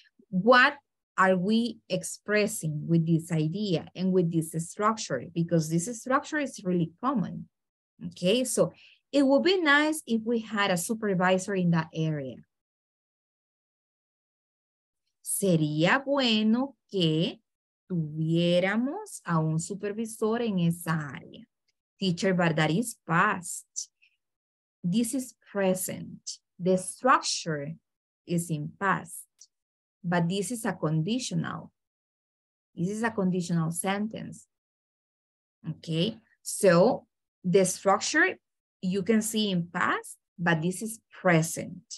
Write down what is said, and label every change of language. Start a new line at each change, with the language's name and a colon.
English: What are we expressing with this idea and with this structure? Because this structure is really common. Okay, so it would be nice if we had a supervisor in that area.
Spanish: Sería bueno que tuviéramos a un supervisor en esa área.
English: Teacher, but that is past. This is present. The structure is in past, but this is a conditional. This is a conditional sentence. Okay, so the structure you can see in past, but this is present.